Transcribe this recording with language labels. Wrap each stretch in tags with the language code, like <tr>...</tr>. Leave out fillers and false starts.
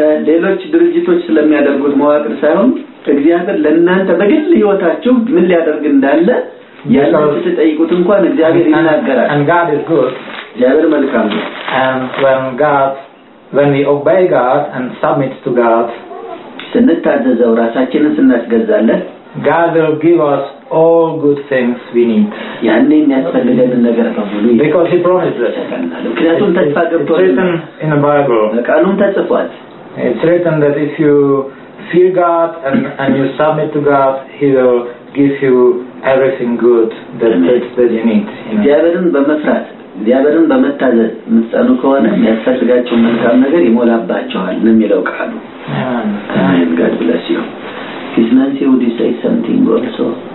<am>ሌሎች ድርጅቶች ስለሚያደርጉት መዋቅር ሳይሆን እግዚአብሔር ለእናንተ በግል ህይወታችሁ ምን ሊያደርግ እንዳለ ያላችሁ ስለጠይቁት እንኳን እግዚአብሔር ይናገራል</am> <en>and God is good</en> <am>እግዚአብሔር መልካም ነው</am> <en>and when God when we obey God and submit to God</en> <am>ስንታዘዘው ራሳችንን ስናስገዛለን</am> <en>God will give us all good things we need</en> <am>ያንንም የሚያስፈልገንን ነገር ከሁሉ</am> <en>because he promised us</en> <am>ክርስቶስ ተስፋ ገብቶ</am> <en>written in the Bible</en> <am>ቃሉም ተጽፏል</am> <en>it's written that if you fear God and you submit to God he will give you everything good that you need</en> <am>እግዚአብሔርን በመፍራት እግዚአብሔርን በመታዘዝ ምጻኑ ከሆነ የሚያስፈልጋችሁ መልካም ነገር ይሞላባችኋል ነው የሚለው ቃሉ አሜን</am> <en>God bless you Is Nancy would you say something also?</en>